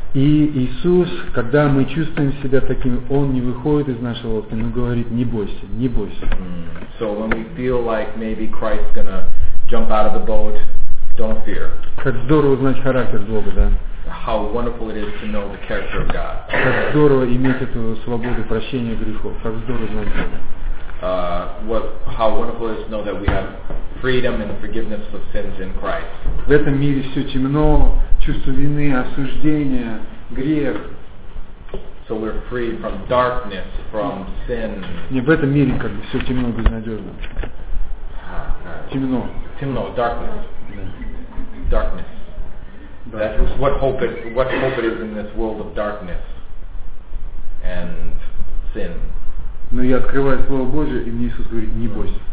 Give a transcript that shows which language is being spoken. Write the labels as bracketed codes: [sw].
[ru] И Иисус, когда мы чувствуем себя таким, Он не выходит из нашей лодки, но говорит, не бойся, не бойся. Mm. [en] So when we feel like maybe Christ is gonna jump out of the boat, don't fear. [ru] Как здорово знать характер Бога, да? [en] How wonderful it is to know the character of God. [ru] Как здорово иметь эту свободу прощения грехов. Как здорово знать. [en] How wonderful it is to know that we have freedom and forgiveness of sins in Christ. [ru] В этом мире все темно, чувство вины, осуждения, грех. [en] So we're free from darkness, from sin. [ru] Не в этом мире как бы все темно и безнадежно. Темно. [en] Темно, darkness. Yeah. Darkness. That's what hope it is in this world of darkness and sin. [ru] Но я открываю Слово Божие, и мне Иисус говорит, не бойся.